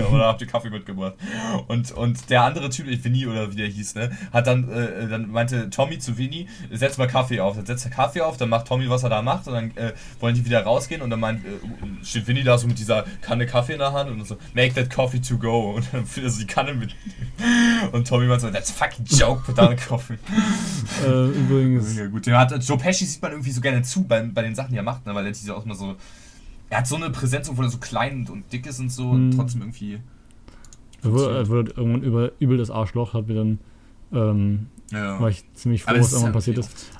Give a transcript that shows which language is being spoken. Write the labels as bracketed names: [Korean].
[German] Oder habt ihr Kaffee mitgebracht? Und der andere Typ, Vinny oder wie der hieß, ne, hat dann meinte Tommy zu Vinny, setz mal Kaffee auf. Dann setzt er Kaffee auf, dann macht Tommy, was er da macht, und dann wollen die wieder rausgehen und dann meint, steht Vinny da so mit dieser Kanne Kaffee in der Hand und so, [English] make that coffee to go. [German] Und dann führt er so die Kanne mit. Und Tommy meint so, [English] that's fucking joke with that coffee. [German] Übrigens. Ja, gut, den hat Joe Pesci sieht man irgendwie so gerne zu bei den Sachen, die er macht, ne, weil er diese auch immer so. Er hat so eine Präsenz, obwohl er so klein und dick ist und so und trotzdem irgendwie. Er wurde irgendwann übel das Arschloch, hat mir dann. War ich ziemlich froh, was irgendwann passiert ist.